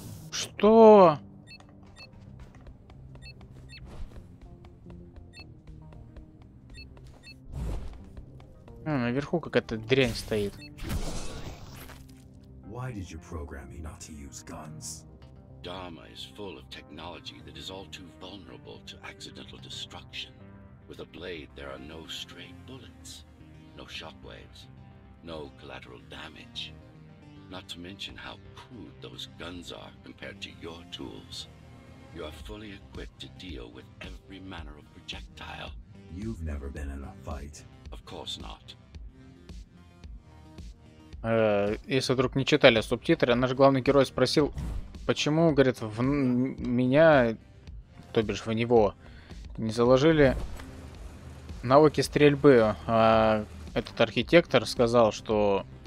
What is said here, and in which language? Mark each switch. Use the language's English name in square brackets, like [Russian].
[Russian] Что? А, наверху какая-то дрянь стоит. [English] Why did you program me not to use guns? Dharma is full of technology that is all too vulnerable to accidental destruction. With a blade there are no stray bullets, no shockwaves, no collateral damage. Not to mention how crude those guns are compared to your tools. You are fully equipped to deal with every manner of projectile. You've never been in a fight. Of course not. [Russian] Если вдруг не читали субтитры, наш главный герой спросил, почему, говорит, в меня, то бишь в него, не заложили навыки стрельбы. А этот архитектор сказал, что...